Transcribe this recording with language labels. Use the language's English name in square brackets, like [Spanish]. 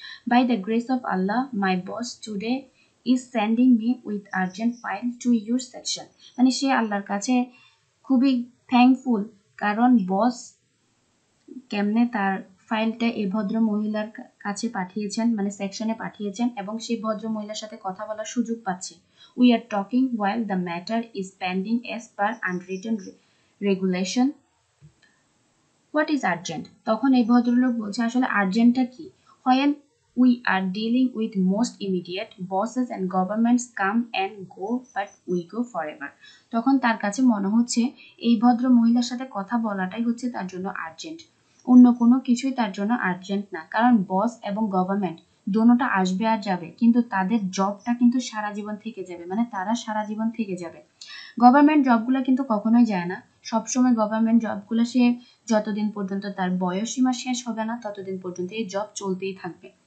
[English] By the grace of Allah my boss today is sending me with urgent file to your section. [Bangla] মানে সে আল্লাহর কাছে খুবই thankful, কারণ বস কেমনে তার ফাইলটা এই ভদ্র মহিলার কাছে পাঠিয়েছেন, মানে সেকশনে পাঠিয়েছেন, এবং সেই ভদ্র মহিলার সাথে কথা বলার সুযোগ পাচ্ছে। [English] We are talking while the matter is pending as per unwritten regulation. What is urgent? [Bangla] তখন এই ভদ্রলোক বলছে আসলে আর্জেন্টটা কি? [English] When we are dealing with most immediate, bosses and governments come and go, but we go forever. [Bangla] তখন তার কাছে মনে হচ্ছে এই ভদ্র মহিলার সাথে কথা বলাটাই হচ্ছে তার জন্য আর্জেন্ট। অন্য কোনো কিছুই তার জন্য আর্জেন্ট না। কারণ বস এবং গভর্নমেন্ট দুটোটা আসবে আর যাবে, কিন্তু তাদের জবটা কিন্তু সারা জীবন থেকে যাবে, মানে তারা সারা জীবন থেকে যাবে। গভর্নমেন্ট জবগুলো কিন্তু কখনোই যায় না। সবসময় গভর্নমেন্ট জবগুলো সে যতদিন পর্যন্ত তার বয়সসীমা শেষ হবে না ততদিন পর্যন্ত এই জব চলতেই থাকবে।